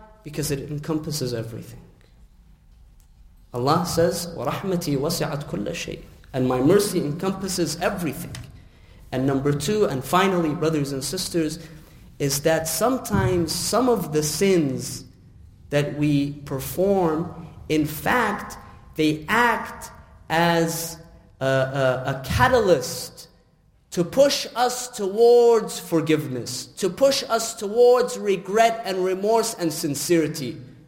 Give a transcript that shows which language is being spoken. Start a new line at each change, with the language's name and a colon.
English: Because it encompasses everything. Allah says,
Arabic: وَرَحْمَتِي وَسِعَتْ كُلَّ شَيْءٍ.
English: And my mercy encompasses everything. And number two, and finally, brothers and sisters, is that sometimes some of the sins that we perform, in fact, they act as a catalyst to push us towards forgiveness, to push us towards regret and remorse and sincerity.